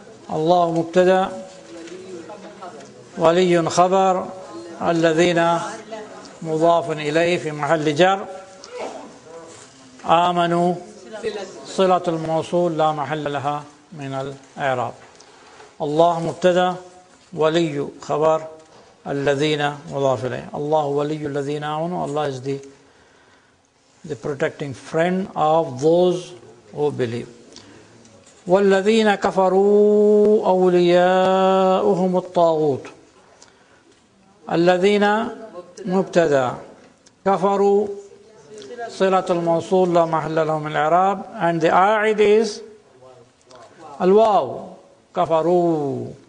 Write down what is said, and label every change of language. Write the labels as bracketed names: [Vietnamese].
[Arabic] الله مبتدا ولي خبر الذين مضاف إليه في محل جر آمنوا صلة الموصول لا محل لها من الإعراب. الله مبتدا ولي خبر الذين مضاف إليه. الله ولي الذين آمنوا. [English] الله is the protecting friend of those who believe. [Arabic] والذين كفروا أولياؤهم الطاغوت. الذين مبتدا كفروا صلة الموصول لا محل له من الإعراب. [English] And the عائد is [Arabic] الواو كفروا.